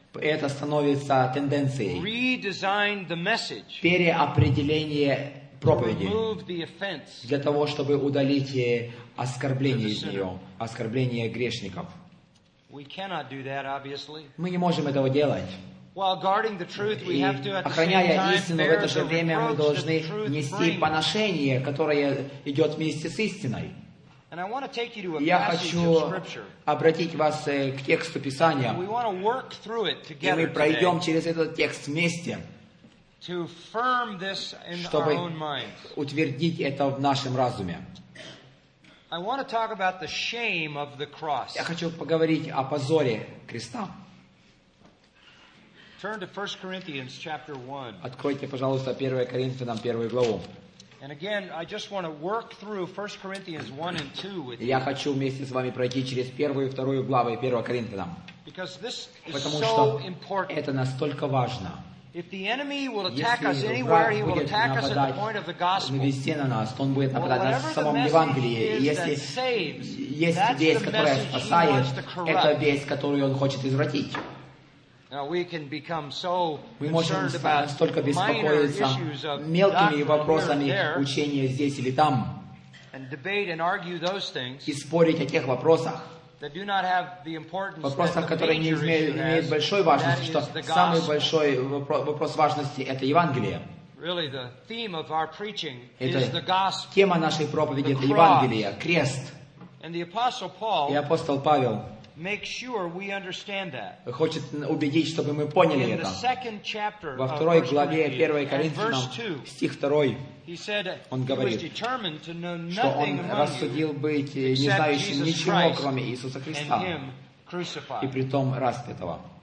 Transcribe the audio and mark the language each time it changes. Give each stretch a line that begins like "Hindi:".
Russian: Это становится тенденцией.
English: Redesign the message.
Russian: Переопределение проповеди.
English: Remove the offense.
Russian: Для того, чтобы удалить оскорбление из нее, оскорбление грешников.
English: We cannot do that, obviously.
Russian: Мы не можем этого делать.
English: While guarding the truth, we have to, at the same time, bear the reproach that the truth brings.
Russian: Мы должны нести поношение, которое идет вместе с истиной.
English: And I want to take you to a passage of Scripture.
Russian: Обратить вас к тексту Писания.
English: We want to work through it together.
Russian: И мы пройдем через этот текст вместе.
English: To firm this in our own minds.
Russian: Чтобы утвердить это в нашем разуме.
English: I want to talk about the shame of the cross.
Russian: Я хочу поговорить о позоре креста.
English: Turn to 1 Corinthians chapter 1.
Russian: Откройте, пожалуйста, 1 Коринфянам 1 главу.
English: And again, I just want to work through 1 Corinthians 1 and 2 with you.
Russian: Я хочу вместе с вами пройти через первую и вторую главы 1 Коринфянам.
English: Because this is so important.
Russian: Это настолько важно.
English: If the enemy will attack us anywhere, he will attack us at the point of the gospel.
Russian: Навести на нас, он будет нападать на самом Евангелии. Если есть весть, которая спасает, это весть, которую он хочет извратить.
English: Now we can become so concerned about minor issues of
Russian: мелкими вопросами учения здесь или там,
English: and debate and argue those things,
Russian: и спорить о тех вопросах, вопросах, которые не имеют большой важности, что самый большой вопрос важности – это Евангелие.
English: Really, the theme of our preaching is the gospel.
Russian: Тема нашей проповеди – это Евангелие, крест.
English: And the apostle Paul makes sure we understand that.
Russian: Хочет убедить, чтобы мы поняли это.
English: In the second chapter,
Russian: во второй главе 1 Коринфянам, стих 2,
English: he said
Russian: он говорит,
English: he was determined to know nothing among you except Jesus Christ and
Russian: Иисуса Христа,
English: him crucified.
Russian: И притом распятого.